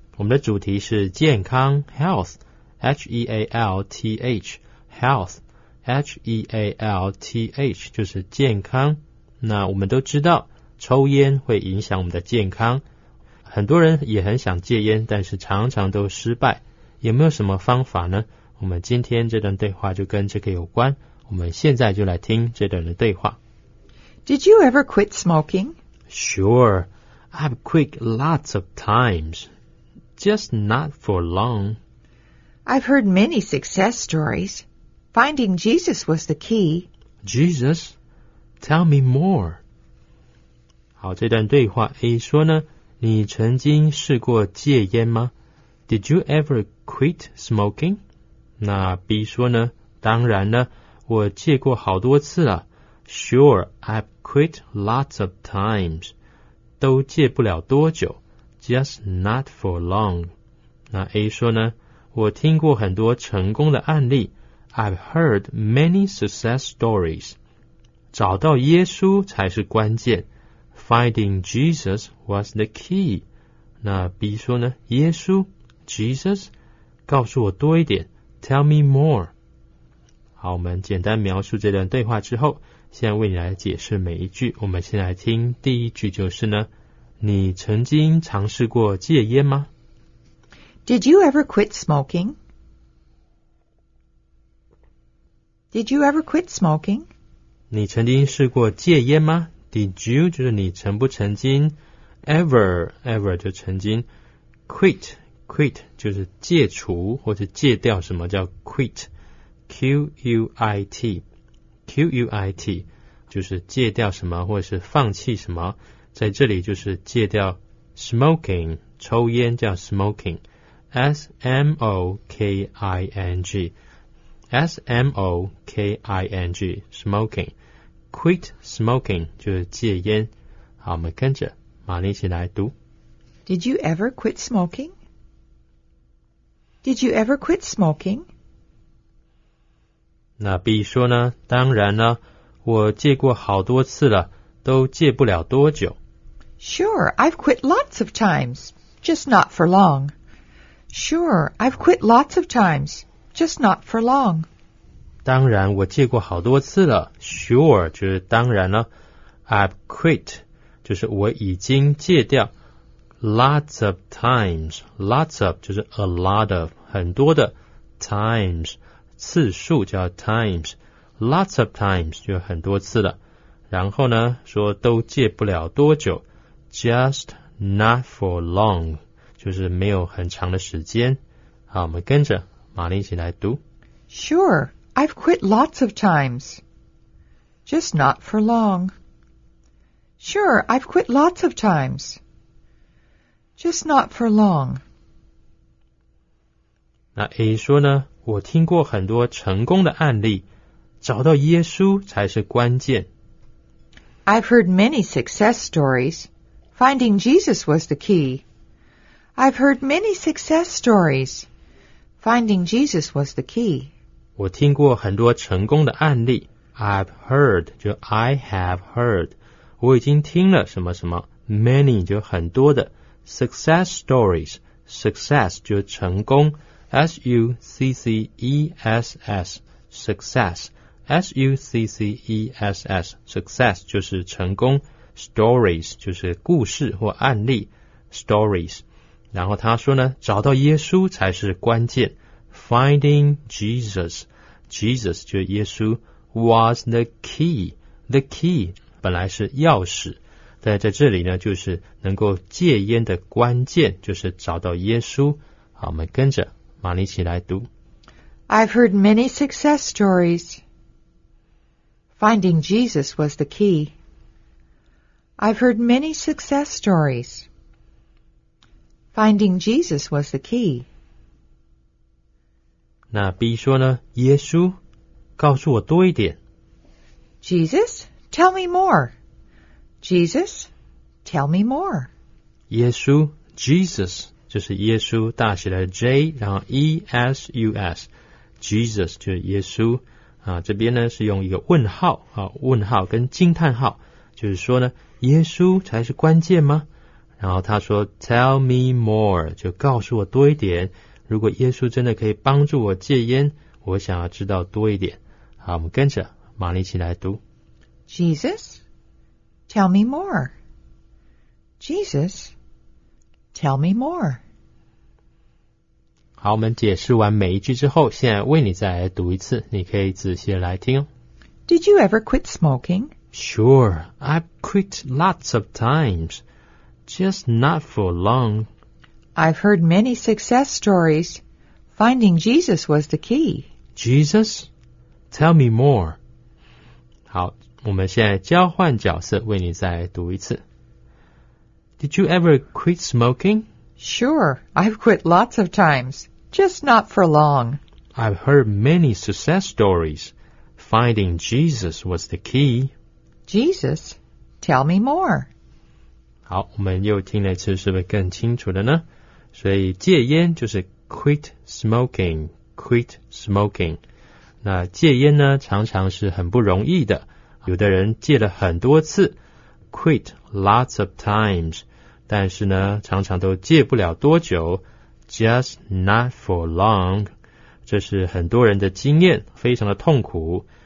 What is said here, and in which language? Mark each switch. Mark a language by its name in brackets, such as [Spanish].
[Chinese] 我们的主题是健康 ,health, H-E-A-L-T-H, health, H-E-A-L-T-H, 就是健康。那我们都知道抽烟会影响我们的健康。很多人也很想戒烟，但是常常都失败。有没有什么方法呢？我们今天这段对话就跟这个有关，我们现在就来听这段的对话。 [English] Did you ever quit smoking? Sure, I've quit lots of times, just not for long. I've heard many success stories. Finding Jesus was the key. Jesus? Tell me more. [Chinese] 好，这段对话 A 说呢，你曾经试过戒烟吗？ [English] Did you ever quit smoking? [Chinese] 那 B 说呢，当然呢，我戒过好多次了。 [English] Sure, I've quit lots of times. [Chinese] 都戒不了多久。 [English] Just not for long. [Chinese] 那 A 说呢，我听过很多成功的案例。 [English] I've heard many success stories. [Chinese] 找到耶稣才是关键。 [English] Finding Jesus was the key. [Chinese] 那 B 说呢，耶稣 ,Jesus, 告诉我多一点。 [English] Tell me more. [Chinese] 好，我们简单描述这段对话之后，现在为你来解释每一句。我们先来听第一句，就是呢，你曾经尝试过戒烟吗？ [English] Did you ever quit smoking? Did you ever quit smoking? [Chinese] 你曾经试过戒烟吗？ [English] Did you [Chinese] 就是你曾不曾经， ever ever 就曾经， quit。 Quit 就是戒除或者戒掉什么叫 quit Q-U-I-T Q-U-I-T 就是戒掉什么或者是放弃什么在这里就是戒掉 smoking 抽烟叫 smoking S-M-O-K-I-N-G S-M-O-K-I-N-G smoking quit smoking 就是戒烟好我们跟着玛丽一起来读 [English] Did you ever quit smokingDid you ever quit smoking? [Chinese] 那 B 说呢，当然呢，我戒过好多次了，都戒不了多久。 [English] Sure, I've quit lots of times, just not for long. Sure, I've quit lots of times, just not for long. [Chinese] 当然，我戒过好多次了。Sure, 就是当然呢。 [English] I've quit, [Chinese] 就是我已经戒掉。 [English] Lots of times, lots of [Chinese] 就是 [English] a lot of [Chinese] 很多的 times 次数叫 times, [English] lots of times [Chinese] 就很多次了。然后呢，说都戒不了多久 ， [English] just not for long [Chinese] 就是没有很长的时间。好，我们跟着玛丽一起来读。 [English] Sure, I've quit lots of times, just not for long. Sure, I've quit lots of times. Just not for long. [Chinese] 那 A 说呢，我听过很多成功的案例，找到耶稣才是关键。 [English] I've heard many success stories. Finding Jesus was the key. I've heard many success stories. Finding Jesus was the key. [Chinese] 我听过很多成功的案例。 [English] I've heard, [Chinese] 就 [English] I have heard. [Chinese] 我已经听了什么什么。 Many, 就很多的。 Success stories, success 就是成功 S-U-C-C-E-S-S, success S-U-C-C-E-S-S, success 就是成功 Stories 就是故事或案例 Stories 然后他说呢找到耶稣才是关键 [English] Finding Jesus [Chinese] Jesus 就是耶稣 [English] Was the key The key [Chinese] 本来是钥匙但在这里呢，就是能够戒烟的关键，就是找到耶稣。好，我们跟着玛丽一起来读。 [English] I've heard many success stories. Finding Jesus was the key. I've heard many success stories. Finding Jesus was the key. [Chinese] 那 B 说呢，耶稣，告诉我多一点。 [English] Jesus, tell me more. Jesus, tell me more. [Chinese] 耶稣 ,Jesus, 就是耶稣大写的 J, 然后 E-S-U-S。 Jesus 就是耶稣啊，这边呢是用一个问号啊，问号跟惊叹号，就是说呢，耶稣才是关键吗？然后他说 ， [English] Tell me more， [Chinese] 就告诉我多一点。如果耶稣真的可以帮助我戒烟，我想要知道多一点。好，我们跟着玛丽一起来读 [English] ，Jesus， tell me more。 Jesus， tell me more。 [Chinese] 好，我们解释完每一句之后，现在为你再来读一次，你可以仔细来听哦。 [English] Did you ever quit smoking? Sure, I've quit lots of times, just not for long. I've heard many success stories. Finding Jesus was the key. Jesus? Tell me more. [Chinese] 好，我们现在交换角色，为你再来读一次。 [English] Did you ever quit smoking? Sure, I've quit lots of times, just not for long. I've heard many success stories. Finding Jesus was the key. Jesus, tell me more. [Chinese] 好，我们又听了一次，是不是更清楚了呢？所以戒烟就是 [English] quit smoking, quit smoking. [Chinese] 那戒烟呢，常常是很不容易的。有的人戒了很多次， [English] quit lots of times. [Chinese] 但是呢，常常都戒不了多久 ， [English] just not for long， [Chinese] 这是很多人的经验，非常的痛苦。